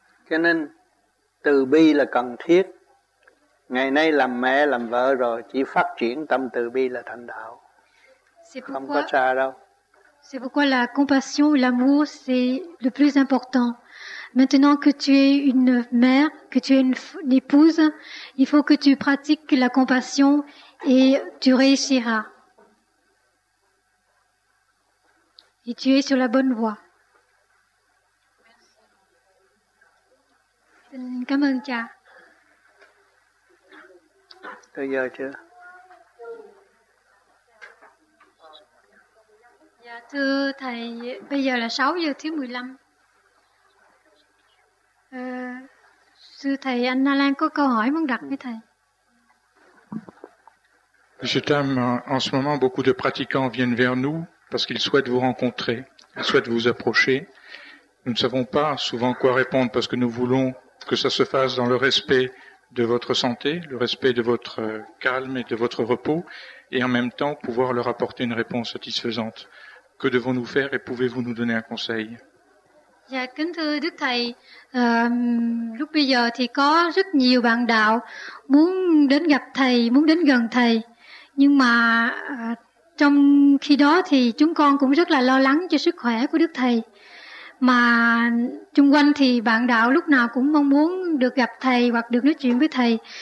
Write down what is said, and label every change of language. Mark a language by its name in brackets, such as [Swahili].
[Vietnamese] Cho nên từ bi là cần thiết. Ngày nay làm mẹ làm vợ rồi chỉ phát triển tâm từ bi là thành đạo. Không có xa đâu. [French] C'est pourquoi la compassion, l'amour, c'est le plus important. Maintenant que tu es une mère, que tu es une épouse, il faut que tu pratiques la compassion et tu réussiras. Et tu es sur la bonne voie. [Vietnamese] Cảm ơn cha. Tới giờ chưa? Dạ thưa thầy, bây giờ là 6:15. Thưa thầy, anh Alan có câu hỏi muốn đặt với thầy. [French] Monsieur Tam, en ce moment, beaucoup de pratiquants viennent vers nous parce qu'ils souhaitent vous rencontrer, ils souhaitent vous approcher. Nous ne savons pas souvent quoi répondre parce que nous voulons que ça se fasse dans le respect de votre santé, le respect de votre calme et de votre repos, et en même temps pouvoir leur apporter une réponse satisfaisante. Que devons-nous faire et pouvez-vous nous donner un conseil? [Vietnamese] Dạ, kính thưa Đức Thầy, lúc bây giờ thì có rất nhiều bạn đạo muốn đến gặp Thầy, muốn đến gần Thầy. Nhưng mà trong khi đó thì chúng con cũng rất là lo lắng cho sức khỏe của Đức Thầy. Mà chung quanh thì bạn đạo lúc nào cũng mong muốn được gặp Thầy hoặc được nói chuyện với Thầy.